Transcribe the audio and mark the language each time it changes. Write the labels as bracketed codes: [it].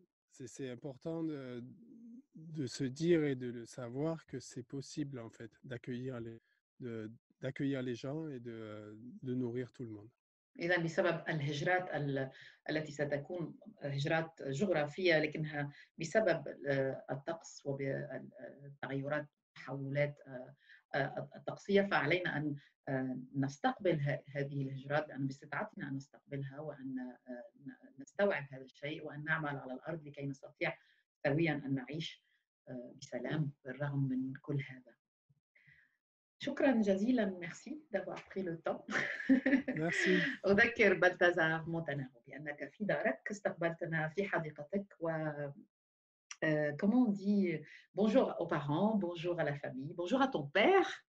[fr] C'est important de se dire et de le savoir que c'est possible en fait d'accueillir les gens et de nourrir tout le monde. [ar] إذن بسبب الهجرات التي ستكون هجرات جغرافية، لكنها بسبب الطقس والتغيرات تحولات الطقسية، فعلينا أن نستقبل هذه الهجرات، لأن باستطاعتنا أن نستقبلها وأن نستوعب هذا الشيء وأن نعمل على الأرض لكي نستطيع سويا أن نعيش بسلام بالرغم من كل هذا. شكرا جزيلا، [fr] ميرسي دافوار بري لو طون. [ar] ميرسي. أذكر بلتازار مونتانارو بأنك في دارك، استقبلتنا في حديقتك، و [fr] comment on dit bonjour aux parents, bonjour à la famille, bonjour à ton père.